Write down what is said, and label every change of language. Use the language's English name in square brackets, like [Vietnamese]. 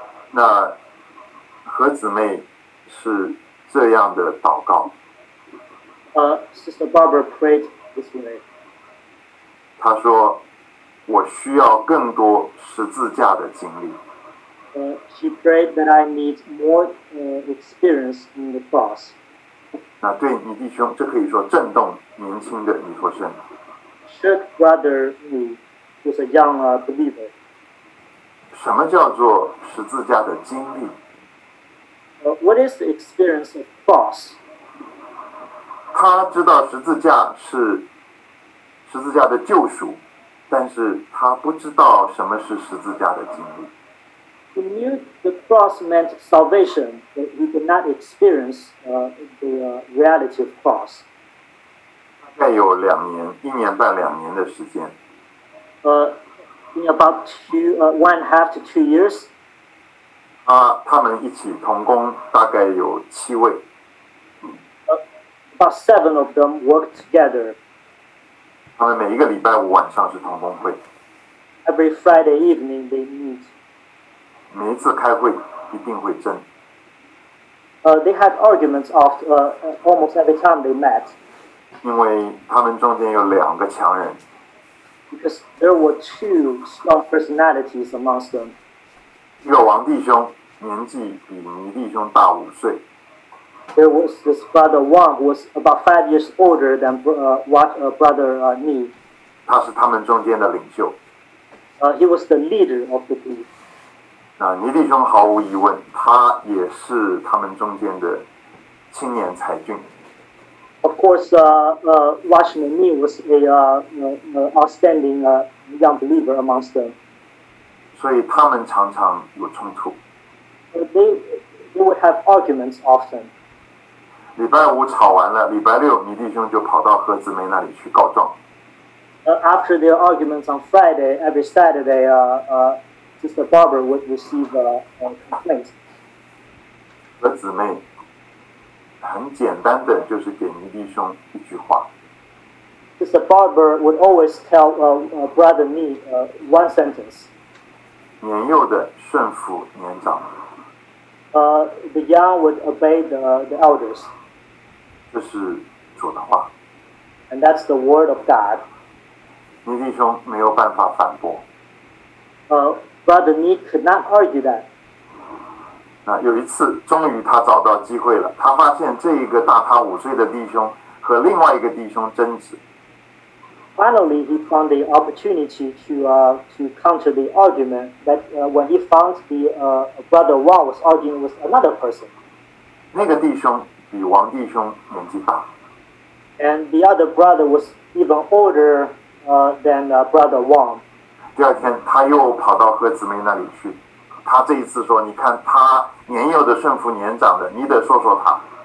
[Chinese] 那何姊妹是这样的祷告。 [English] Sister Barber prayed this way. [Chinese] 他说我需要更多十字架的经历。 [English] She prayed that I need more experience in the cross. [Chinese] 那对你弟兄，这可以说震动年轻的尼托生。 [English] Shook Brother Me, who's a young believer. [Chinese] 什么叫做十字架的经历？ [English] What is the experience of cross? [Chinese] 他知道十字架是十字架的救赎，但是他不知道什么是十字架的经历。 [English] He knew the cross meant salvation, but he did not experience the reality of cross. [Chinese] 大概有两年，一年半两年的时间。 [English] In about one and a half to two years. [Chinese] 他们一起同工大概有七位。 [English] About seven of them worked together. [Chinese] 他们每一个礼拜五晚上是同工会。 [English] Every Friday evening they meet. [Chinese] 每一次开会一定会争。 [English] They had arguments almost every time they met. [Chinese] 因为他们中间有两个强人。 [English] Because there were two strong personalities amongst them. [Chinese] 一个王弟兄年纪比倪弟兄大五岁。 [English] There was this brother Wang, who was about 5 years older than brother Ni. [Chinese] 他是他们中间的领袖。 [English] He was the leader of the group. [Chinese] 那倪弟兄毫无疑问，他也是他们中间的青年才俊。 [English] Of course, Washington Ni was a outstanding young believer amongst them. [Chinese] 所以他们常常有冲突。 [English] They would have arguments often. [Chinese] 礼拜五吵完了，礼拜六倪弟兄就跑到何姊妹那里去告状。 [English] After their arguments on Friday, every Saturday, Sister Barber would receive a complaint. [Chinese] 何姊妹很简单的就是给倪弟兄一句话。 [English] Sister Barber would always tell Brother Ni one sentence. [Chinese] 年幼的顺服年长。 [English] The young would obey the elders. [Chinese] 这是主的话。 [English] And that's the word of God. [Chinese] 倪弟兄没有办法反驳。 [English] Brother Ni could not argue that. [Chinese] 那有一次，终于他找到机会了。他发现这一个大他五岁的弟兄和另外一个弟兄争执。 [English] Finally, he found the opportunity to counter the argument that when he found the brother Wang was arguing with another person. [Chinese] 那个弟兄比王弟兄年纪大。 [English] And the other brother was even older than brother Wang. [Chinese] 第二天他又跑到和姊妹那里去，他这一次说，你看他年幼的顺服年长的，你得说说他。